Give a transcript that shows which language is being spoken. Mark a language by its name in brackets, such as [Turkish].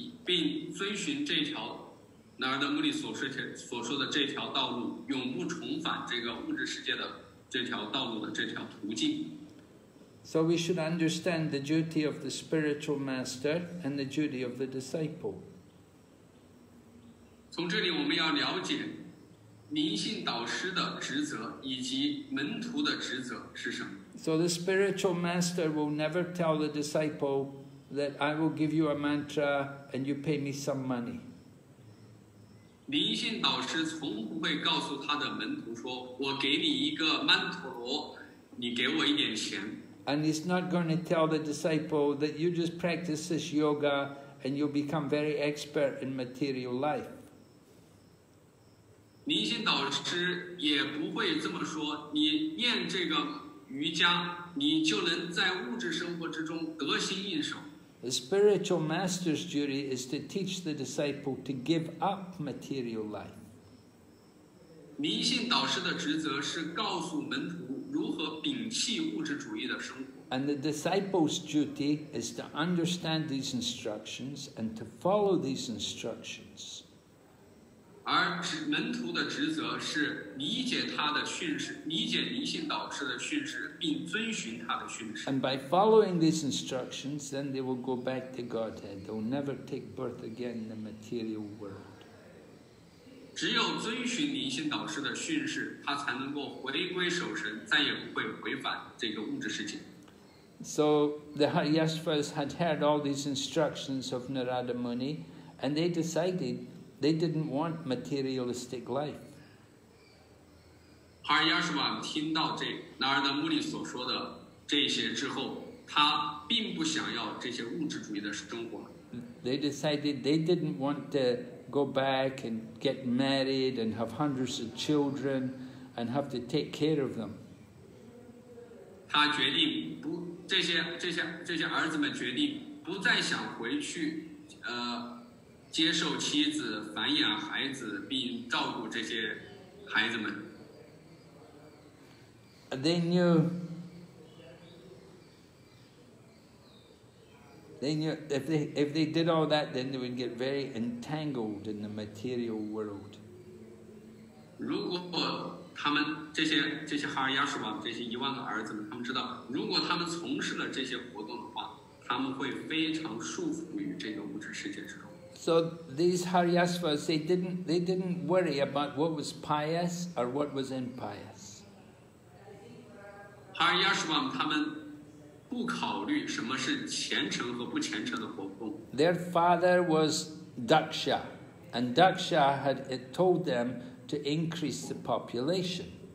[Chinese] 并遵循这条纳尔德穆里所说的这条道路，永不重返这个物质世界的这条道路的这条途径。 [English] So we should understand the duty of the spiritual master and the duty of the disciple. [Chinese] 从这里我们要了解灵性导师的职责以及门徒的职责是什么。 [English] So the spiritual master will never tell the disciple. That I will give you a mantra and you pay me some money. [Chinese] 灵性导师从不会告诉他的门徒说，我给你一个曼陀罗，你给我一点钱。 [English] And he's not going to tell the disciple that you just practice this yoga and you'll become very expert in material life. [Chinese] 灵性导师也不会这么说，你念这个瑜伽，你就能在物质生活之中得心应手。 [English] The spiritual master's duty is to teach the disciple to give up material life. [Chinese] 灵性导师的职责是告诉门徒如何摒弃物质主义的生活。 [English] And the disciple's duty is to understand these instructions and to follow these instructions. [Chinese] 而门徒的职责是理解他的训示，理解灵性导师的训示，并遵循他的训示。 [English] And by following these instructions, then they will go back to Godhead. They will never take birth again in the material world. [Chinese] 只有遵循灵性导师的训示，他才能够回归守神，再也不会违反这个物质世界。 [English] So the Haryashvas had heard all these instructions of Narada Muni, and they decided. They didn't want materialistic life. [Chinese] Haryashva 听到这纳尔达穆尼所说的这些之后，他并不想要这些物质主义的生活。 [English] they decided they didn't want to go back and get married and have hundreds of children and have to take care of them. [Chinese] 他决定不这些儿子们决定不再想回去，接受妻子繁衍孩子并照顾这些孩子们。 [English] They knew if they did all that, then they would get very entangled in the material world. [Chinese] 如果他们这些哈尔亚什瓦这些一万个儿子们，他们知道，如果他们从事了这些活动的话，他们会非常束缚于这个物质世界之中。 [English] So these Haryasvas, they didn't worry about what was pious or what was impious. [Chinese] Haryasvam, 他们不考虑什么是虔诚和不虔诚的活动。 [English] Their father was Daksha, and Daksha had told them to increase the population.